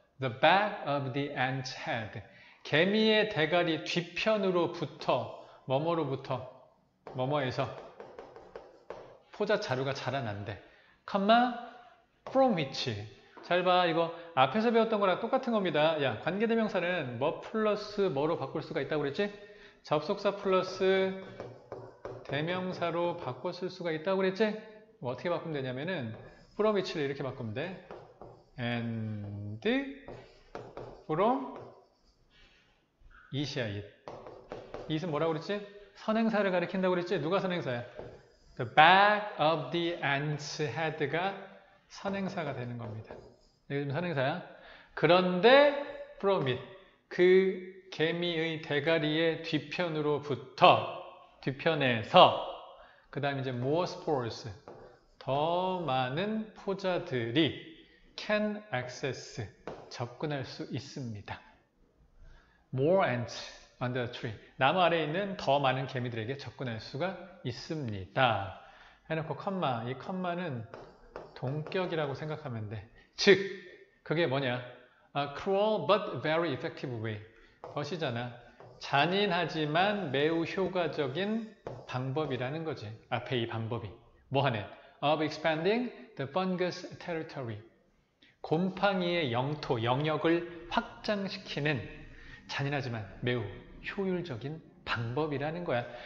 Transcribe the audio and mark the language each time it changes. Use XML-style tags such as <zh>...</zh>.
<en>The back of the ant's head.</en> <ko>개미의 대가리 뒤편으로부터, 뭐뭐로부터, 뭐뭐에서 포자 자루가 자라난대.</ko> <en>comma from which.</en> <ko>잘 봐. 이거 앞에서 배웠던 거랑 똑같은 겁니다. 야, 관계대명사는 뭐 플러스 뭐로 바꿀 수가 있다고 그랬지? 접속사 플러스 대명사로 바꿨을 수가 있다고 그랬지? 뭐 어떻게 바꾸면 되냐면은 from which를 이렇게 바꾸면 돼.</ko> <en>and from is it.</en> <ko>is은 뭐라고 그랬지? 선행사를 가리킨다고 그랬지? 누가 선행사야?</ko> <en>The back of the ant's head가</en> <ko>선행사가 되는 겁니다. 이게 지금 선행사야. 그런데 from it, 그 개미의 대가리의 뒤편으로부터, 뒤편에서, 그 다음에 이제</ko> <en>more spores,</en> <ko>더 많은 포자들이</ko> <en>can access,</en> <ko>접근할 수 있습니다.</ko> <en>More ants under the tree,</en> <ko>나무 아래에 있는 더 많은 개미들에게 접근할 수가 있습니다. 해놓고 컴마, 이 컴마는 동격이라고 생각하면 돼. 즉, 그게 뭐냐?</ko> <en>A cruel but very effective way.</en> <ko>것이잖아. 잔인하지만 매우 효과적인 방법이라는 거지. 앞에 이 방법이. 뭐하네?</ko> <en>Of expanding the fungus territory.</en> <ko>곰팡이의 영토, 영역을 확장시키는 잔인하지만 매우 효율적인 방법이라는 거야.</ko>